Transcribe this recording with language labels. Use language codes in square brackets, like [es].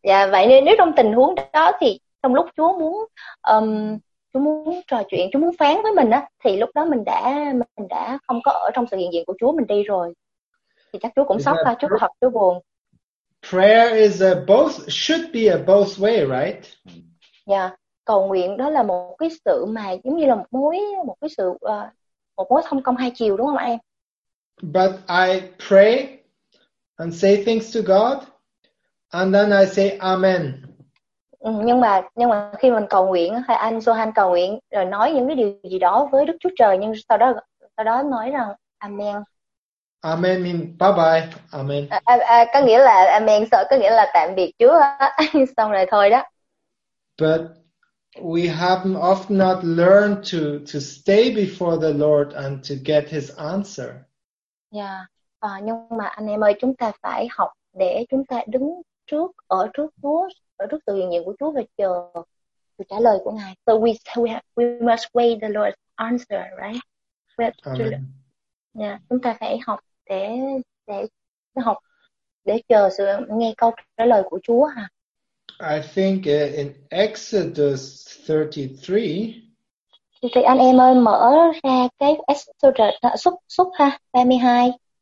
[vi] Vậy nên nếu trong tình huống đó thì trong lúc Chúa muốn Chúa muốn trò chuyện, Chúa muốn phán với mình á, thì lúc đó mình đã không có ở trong sự hiện diện của Chúa, mình đi rồi. Thì chắc Chúa cũng sốc ha, Chúa hoặc Chúa buồn. [en] Prayer is a both, should be a both way, right? Yeah. [vi] Cầu nguyện đó là một cái sự mà giống như là một mối thông công hai chiều, đúng không em? [en] But I pray and say things to God and then I say amen. [vi] Nhưng mà khi mình cầu nguyện hay anh Johan cầu nguyện rồi nói những cái điều gì đó với Đức Chúa Trời, nhưng sau đó nói rằng amen. [en] Amen mean bye bye. Amen. [vi] Có nghĩa là amen sợ, có nghĩa là tạm biệt Chúa. Xong rồi thôi đó. [en] But we have often not learned to stay before the Lord and to get his answer. Yeah. [vi] Nhưng mà anh em ơi, chúng ta phải học để chúng ta đứng trước, ở trước Chúa, ở trước sự hiện diện của Chúa và chờ sự trả lời của Ngài. [en] So we must wait the Lord's answer, right? [vi] Chúng ta phải học để học để chờ sự nghe câu trả lời của Chúa ha. [en] I think in Exodus 33. [vi] Thì anh em ơi mở ra cái Exodus 32.